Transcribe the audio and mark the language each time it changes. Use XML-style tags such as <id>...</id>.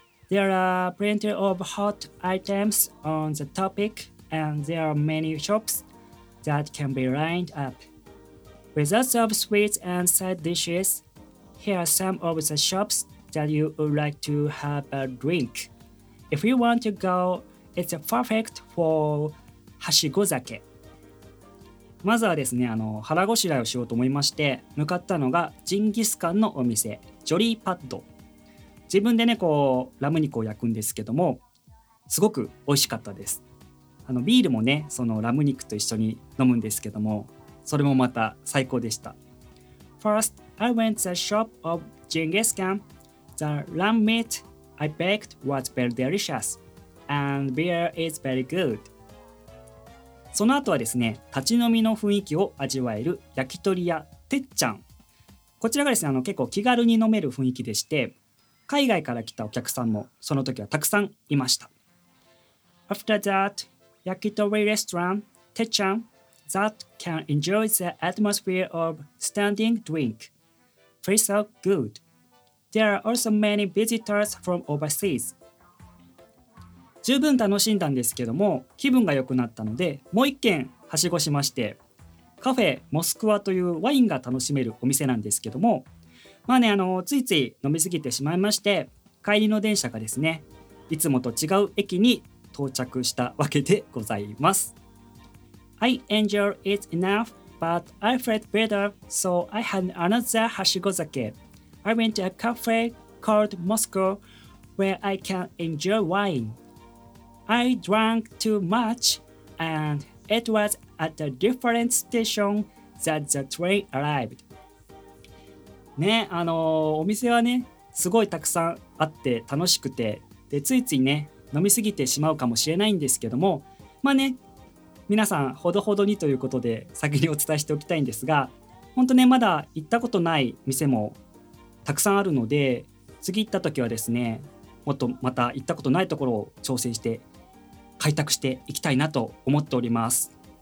<en>There are plenty of hot items on the topic, and there are many shops that can be lined up. With lots of sweets and side dishes, here are some of the shops that you would like to have a drink. If you want to go, it's perfect for はしご酒。</en> <ja>まずはですね、腹ごしらえをしようと思いまして、向かったのがジンギスカンのお店、ジョリーパッド。自分でね、こう、ラム肉を焼くんですけども、すごく美味しかったです。ビールもね、そのラム肉と一緒に飲むんですけども、それもまた最高でした。</ja> <en>First, I went to the shop of Genghis Khan. The lamb meat I baked was very delicious, and beer is very good.</en> <ja>その後はですね、立ち飲みの雰囲気を味わえる焼き鳥屋てっちゃん。こちらがですね、結構気軽に飲める雰囲気でして、海外から来たお客さんもその時はたくさんいました。</ja> <en>After that, 焼き鳥 restaurant, てっちゃん that can enjoy the atmosphere of standing drink. Feels so good. There are also many visitors from overseas.</en> <ja>十分楽しんだんですけども、気分が良くなったので、もう一軒はしごしまして、カフェモスクワというワインが楽しめるお店なんですけども、まあね、ついつい飲みすぎてしまいまして、帰りの電車がですね、いつもと違う駅に到着したわけでございます。</ja> <en>I enjoy it enough, but I felt better, so I had another はしご酒. I went to a cafe called Moscow, where I can enjoy wine. I drank too much, and it was at a different station that the train arrived.</en> <ja>ね、お店はね、すごいたくさんあって楽しくて、で、ついついね、飲みすぎてしまうかもしれないんですけども、まあね、皆さんほどほどにということで先にお伝えしておきたいんですが、本当ね、まだ行ったことない店もたくさんあるので、次行った時はですね、もっとまた行ったことないところを挑戦して開拓していきたいなと思っております。</ja>